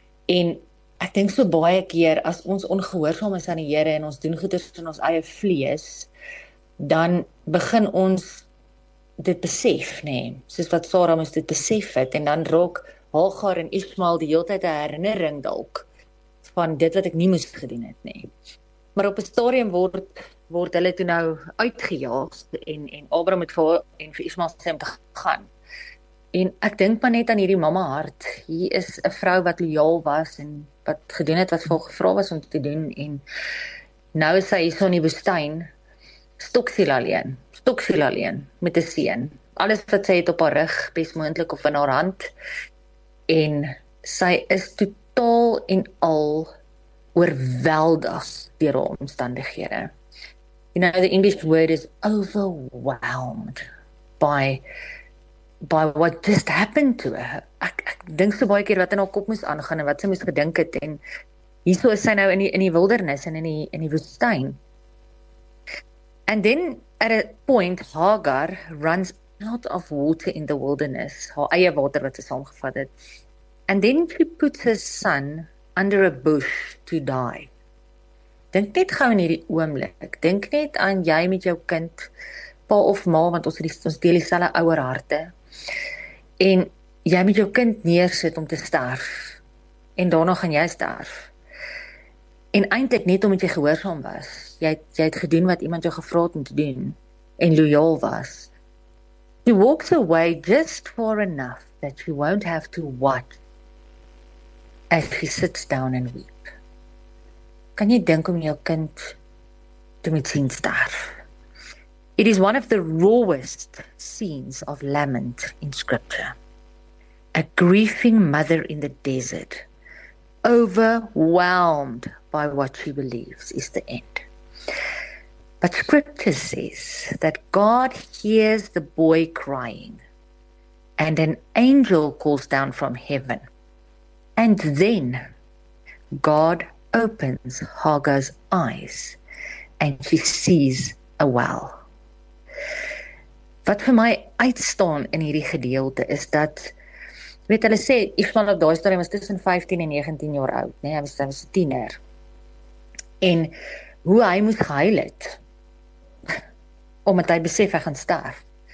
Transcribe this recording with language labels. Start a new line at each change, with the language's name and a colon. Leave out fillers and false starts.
Afrikaans: En ek dink so baie keer as ons ongehoorsaam is aan die Here en ons doen goeders in ons eie vlees, dan begin ons dit besef, nê, nee, soos wat Sara moes dit besef het, en dan raak Hagar en Ismael die hele tyd 'n herinnering dalk van dit wat ek nie moes gedoen het, nê. Nee. Maar op 'n stadium word hulle toe nou uitgejaag en Abraham het vir Ismael sê om te gaan. En ek dink maar net aan hierdie mamma hart. Hier is 'n vrou wat lojaal was en wat gedoen het wat vir gevra was om te doen, en nou is sy hier so in die woestyn, stoksel alleen, met 'n seun. Alles wat sy het op haar rug, besmoontlik of in haar hand, en sy is totaal en al oorweldig deur haar omstandighede.
English: You know, the English word is overwhelmed by what just happened to her.
Afrikaans: Ek dink so baie keer wat in haar kop moes aangaan en wat sy moes gedink het, en hierso is sy nou in die wildernis en in die woestyn.
English: And then at a point, Hagar runs out of water in the wilderness,
Afrikaans: haar eie water wat sy saamgevat het.
English: And then she puts her son under a bush to die.
Afrikaans: Dink net gou in hierdie oomblik. Dink net aan jy met jou kind, pa of ma, want ons deel dieselfde ouer harte. En jy met jou kind neersit om te sterf. En daarna gaan jy sterf. En eintlik net omdat jy gehoorsaam was. Jy het gedoen wat iemand jou gevra het om te doen en lojaal was.
English: She walks away just far enough that she won't have to watch as she sits down and weep.
Afrikaans: Kan jy dink om jou kind te moet sien sterf?
English: It is one of the rawest scenes of lament in scripture. A grieving mother in the desert, overwhelmed by what she believes is the end. But scripture says that God hears the boy crying, and an angel calls down from heaven. And then God opens Hagar's eyes and she sees a well.
Afrikaans: Wat vir my uitstaan in hierdie gedeelte is dat, weet hulle sê, Ismael op daai stadium was tussen 15 en 19 jaar oud, nee, hy was 'n tiener. En hoe hy moes gehuil het, omdat hy besef hy gaan sterf.